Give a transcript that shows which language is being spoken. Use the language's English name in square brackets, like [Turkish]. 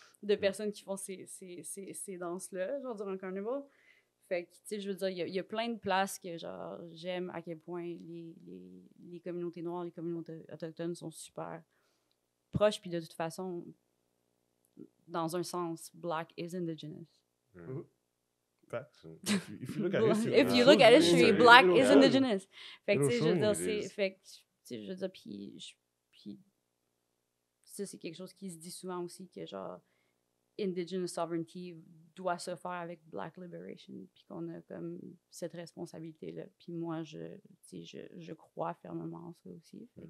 [French] de personnes qui font ces danses-là, genre durant le carnival. Fait que, tu sais, je veux dire, il y a plein de places que, genre, j'aime à quel point les communautés noires, les communautés autochtones sont super proches, puis de toute façon, dans un sens, [English] black is indigenous. If you look at it, [French] je suis [English] black is indigenous. [French] Fait que, tu sais, je veux dire, ça, c'est quelque chose qui se dit souvent aussi, que, genre, Indigenous sovereignty doit se faire avec Black liberation, puis qu'on a comme cette responsabilité-là. Puis moi, je crois fermement en ça aussi.